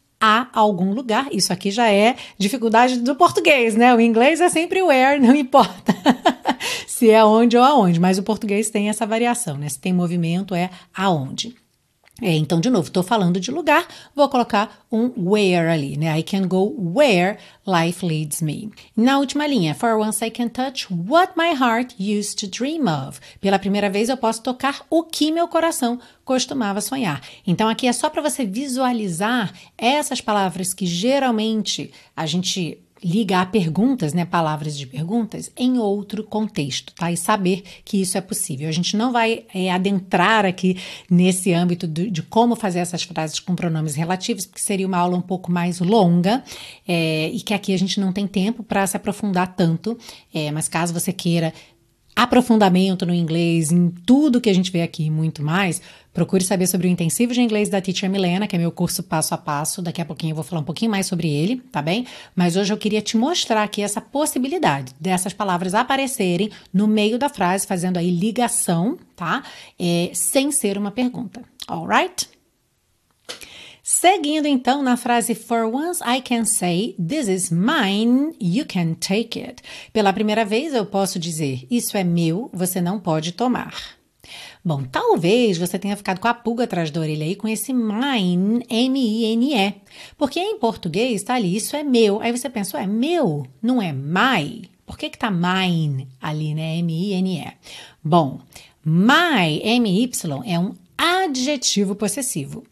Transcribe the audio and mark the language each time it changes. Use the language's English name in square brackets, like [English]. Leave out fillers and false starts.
[Portuguese] A algum lugar, isso aqui já é dificuldade do português, né? O inglês é sempre where, não importa se é onde ou aonde, mas o português tem essa variação, né? Se tem movimento, é aonde. Então, de novo, tô falando de lugar, vou colocar um where ali, né? [English] I can go where life leads me. [Portuguese] Na última linha, [English] for once I can touch what my heart used to dream of. [Portuguese] Pela primeira vez eu posso tocar o que meu coração costumava sonhar. Então, aqui é só para você visualizar essas palavras que geralmente a gente liga a perguntas, né? Palavras de perguntas em outro contexto, tá? E saber que isso é possível. A gente não vai adentrar aqui nesse âmbito de como fazer essas frases com pronomes relativos, porque seria uma aula um pouco mais longa e que aqui a gente não tem tempo para se aprofundar tanto, mas caso você queira aprofundamento no inglês, em tudo que a gente vê aqui e muito mais, procure saber sobre o intensivo de inglês da Teacher Milena, que é meu curso passo a passo. Daqui a pouquinho eu vou falar um pouquinho mais sobre ele, tá bem? Mas hoje eu queria te mostrar aqui essa possibilidade dessas palavras aparecerem no meio da frase, fazendo aí ligação, tá? Sem ser uma pergunta, alright? Seguindo então na frase, [English] for once I can say, this is mine, you can take it. [Portuguese] Pela primeira vez eu posso dizer, isso é meu, você não pode tomar. Bom, talvez você tenha ficado com a pulga atrás da orelha aí com esse mine, M-I-N-E. Porque em português tá ali, isso é meu. Aí você pensa, é meu, não é my. Por que que tá mine ali, né, M-I-N-E? Bom, my, M-Y, é um adjetivo possessivo.